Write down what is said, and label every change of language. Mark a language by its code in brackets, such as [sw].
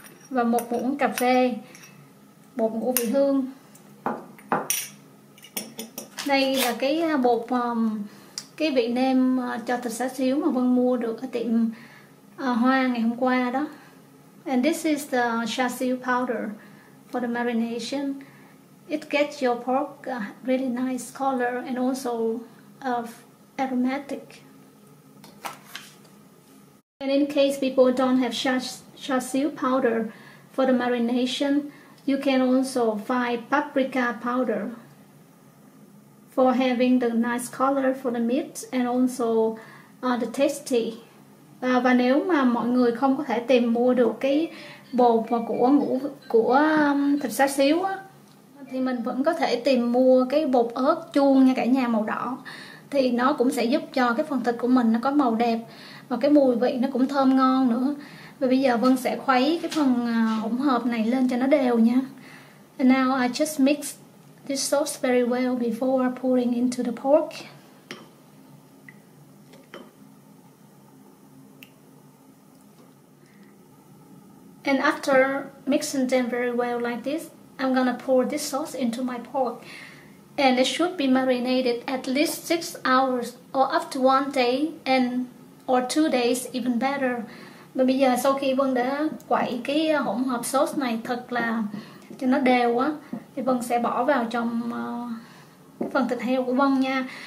[vi] Và 1 muỗng cà phê bột ngũ vị hương. Đây là cái bột cái vị nêm cho thịt xá xíu mà Vân mua được ở tiệm Hoa ngày hôm qua đó. [en] And this is the cha xíu powder for the marination. It gets your pork a really nice color and also of aromatic. And in case people don't have cha xíu powder for the marination, you can also find paprika powder for having the nice color for the meat and also the tasty. [vi] Và nếu mà mọi người không có thể tìm mua được cái bột của thịt xá xíu á, thì mình vẫn có thể tìm mua cái bột ớt chuông nha cả nhà, màu đỏ. Thì nó cũng sẽ giúp cho cái phần thịt của mình nó có màu đẹp và cái mùi vị nó cũng thơm ngon nữa. Và bây giờ Vân sẽ khuấy cái phần hỗn hợp này lên cho nó đều nha. [en] And now I just mix this sauce very well before pouring into the pork. And after mixing them very well like this, I'm gonna pour this sauce into my pork. And it should be marinated at least 6 hours or up to 1 day and or 2 days even better. [vi] Và bây giờ sau khi Vân đã quậy cái hỗn hợp sauce này thật là cho nó đều á, thì Vân sẽ bỏ vào trong cái phần thịt heo của Vân nha.